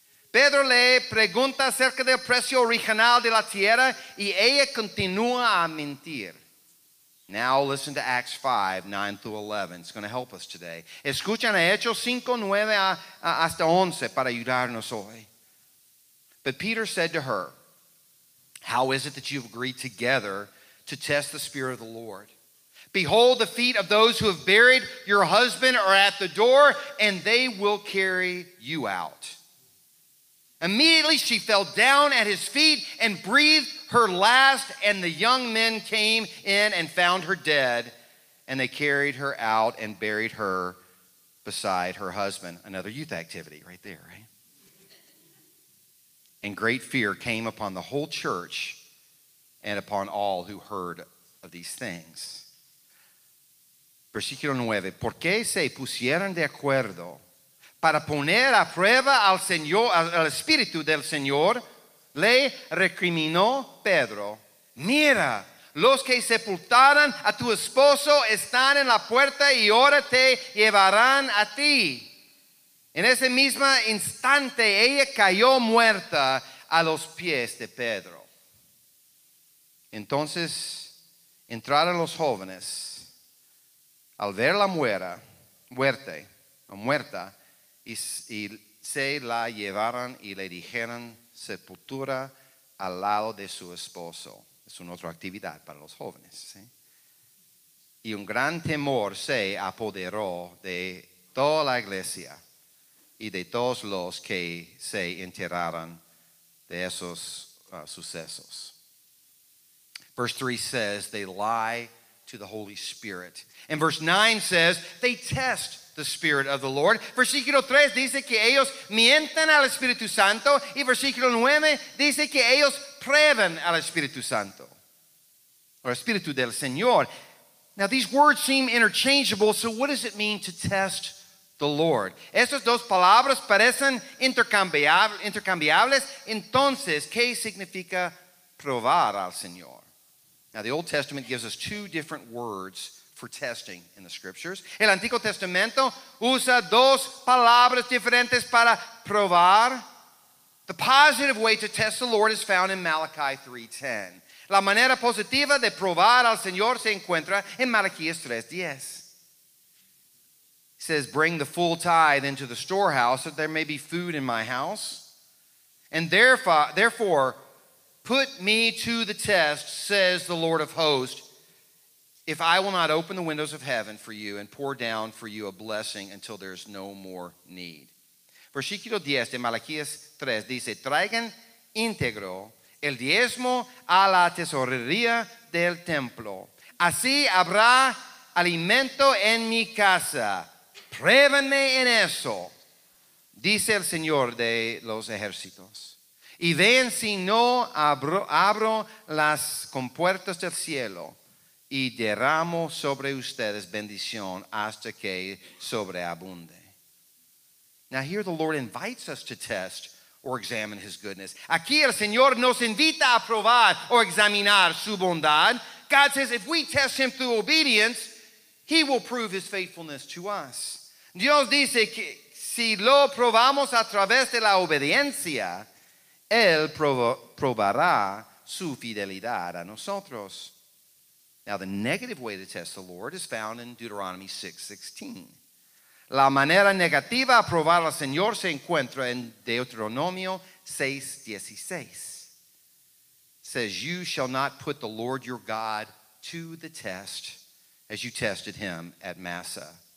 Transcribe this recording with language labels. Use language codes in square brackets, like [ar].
[es] Pedro le pregunta acerca del precio original de la tierra, y ella continúa a mentir. [en] Now listen to Acts 5, 9 through 11. It's going to help us today. [es] Escuchan a Hechos 5, 9 hasta 11 para ayudarnos hoy. [en] But Peter said to her, "How is it that you have agreed together to test the Spirit of the Lord? Behold, the feet of those who have buried your husband are at the door, and they will carry you out." Immediately she fell down at his feet and breathed her last, and the young men came in and found her dead, and they carried her out and buried her beside her husband. Another youth activity right there, right? And great fear came upon the whole church and upon all who heard of these things. [es] Versículo 9. ¿Por qué se pusieron de acuerdo para poner a prueba al Señor, al Espíritu del Señor? Le recriminó Pedro. Mira, los que sepultaron a tu esposo están en la puerta y ahora te llevarán a ti. En ese mismo instante, ella cayó muerta a los pies de Pedro. Entonces, entraron los jóvenes. Al ver la muerta, y se la llevaron y le dijeron sepultura al lado de su esposo. Es una otra actividad para los jóvenes. ¿Sí? Y un gran temor se apoderó de toda la iglesia y de todos los que se enteraron de esos sucesos. [en] Verse 3 says, they lie to the Holy Spirit. And verse 9 says, they test the Spirit of the Lord. [es] Versículo 3 dice que ellos mienten al Espíritu Santo. Y versículo 9 dice que ellos prueben al Espíritu Santo. [en] Or [es] Espíritu del Señor. [en] Now these words seem interchangeable, so what does it mean to test the Lord? [es] Estas dos palabras parecen intercambiables. Entonces, ¿qué significa probar al Señor? [en] Now, the Old Testament gives us two different words for testing in the Scriptures. [es] El Antiguo Testamento usa dos palabras diferentes para probar. [en] The positive way to test the Lord is found in Malachi 3:10. [es] La manera positiva de probar al Señor se encuentra en Malaquías 3:10. [en] It says, "Bring the full tithe into the storehouse, that there may be food in my house. And therefore, put me to the test, says the Lord of hosts, if I will not open the windows of heaven for you and pour down for you a blessing until there is no more need." [es] Versículo 10 de Malaquías 3 dice, "Traigan íntegro el diezmo a la tesorería del templo. Así habrá alimento en mi casa. Pruébenme en eso, dice el Señor de los ejércitos. Y vean si no abro las compuertas del cielo y derramo sobre ustedes bendición hasta que sobreabunde." [en] Now here the Lord invites us to test or examine his goodness. [es] Aquí el Señor nos invita a probar o examinar su bondad. [en] God says if we test him through obedience, he will prove his faithfulness to us. [es] Dios dice que si lo probamos a través de la obediencia, él probará su fidelidad a nosotros. [en] Now, the negative way to test the Lord is found in Deuteronomy 6:16. [es] La manera negativa a probar al Señor se encuentra en Deuteronomio 6:16. [en] Says, you shall not put the Lord your God to the test as you tested him at Massa.